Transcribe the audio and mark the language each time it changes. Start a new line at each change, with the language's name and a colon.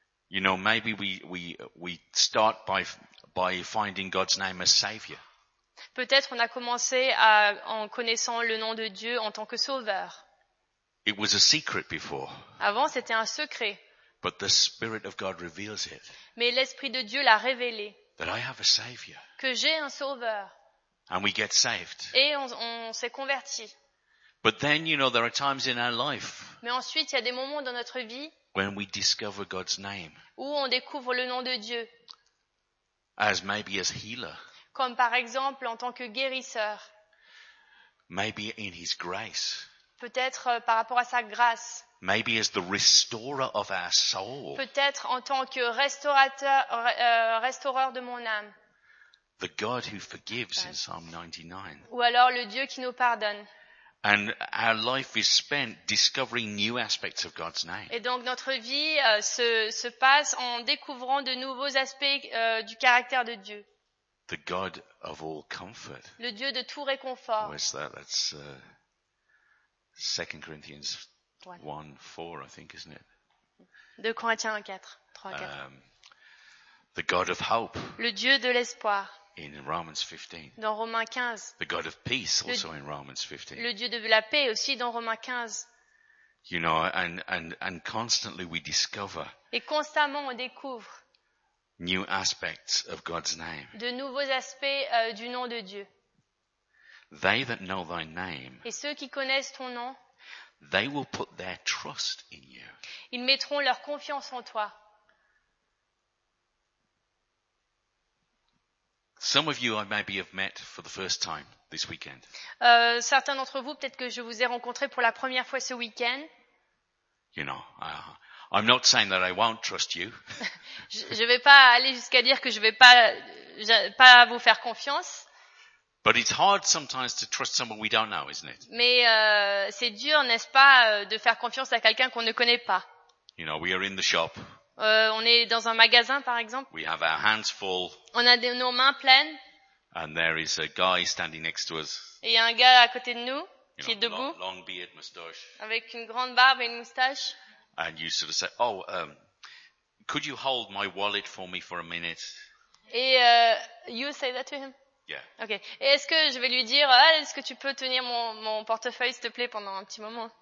English: You know, maybe we start by finding God's name as Savior.
French: Peut-être on a commencé en connaissant le nom de Dieu en tant que Sauveur.
English: It was a secret before.
French: Avant, c'était un secret.
English: But the Spirit of God reveals it.
French: Mais l'Esprit de Dieu l'a révélé.
English: That I have a Savior.
French: Que j'ai un Sauveur.
English: And we get saved.
French: Et on s'est converti.
English: But then, you know, there are times in our life.
French: Mais ensuite, il y a des moments dans notre vie.
English: When we discover God's name.
French: Où on découvre le nom de Dieu.
English: As maybe as healer.
French: Comme par exemple en tant que guérisseur.
English: Maybe in his grace.
French: Peut-être par rapport à sa grâce.
English: Maybe as the restorer of our soul.
French: Peut-être en tant que restaurateur restaureur de mon âme.
English: The God who forgives in Psalm 99.
French: Ou alors le Dieu qui nous pardonne.
English: And our life is spent discovering new aspects of God's name.
French: Et donc notre vie se passe en découvrant de nouveaux aspects du caractère de Dieu.
English: The God of all comfort.
French: Le Dieu de tout réconfort.
English: Where's that? That's 2 Corinthians 1:4, I think, isn't it?
French: 2 Corinthiens 4:3.
English: The God of hope.
French: Le Dieu de l'espoir.
English: in Romans 15.
French: Dans Romains 15.
English: The God of peace also in Romans 15.
French: Le Dieu de la paix aussi dans Romains 15.
English: You know, and constantly we discover.
French: Et constamment on découvre.
English: New aspects of God's name.
French: De nouveaux aspects du nom de Dieu.
English: They that know thy name.
French: Et ceux qui connaissent ton nom.
English: They will put their trust in you.
French: Ils mettront leur confiance en toi.
English: Some of you I maybe have met for the first time this weekend.
French: Certains d'entre vous, peut-être que je vous ai rencontré pour la première fois ce week-end.
English: You know, I'm not saying that I won't trust you.
French: Je ne vais pas aller jusqu'à dire que je ne vais pas vous faire confiance.
English: But it's hard sometimes to trust someone we don't know, isn't it?
French: Mais c'est dur, n'est-ce pas, de faire confiance à quelqu'un qu'on ne connaît pas.
English: You know, we are in the shop.
French: On est dans un magasin, par exemple.
English: We have our hands full.
French: On a nos mains pleines.
English: And there is a guy standing next to us.
French: Et il y a un gars à côté de nous qui est debout.
English: Long beard, moustache.
French: Avec une grande barbe et une moustache.
English: And you sort of say, "Oh, could you hold my wallet for me for a minute?" Et you say that to him. Yeah. Okay.
French: Et est-ce que je vais lui dire, est-ce que tu peux tenir mon portefeuille, s'il te plaît, pendant un petit moment?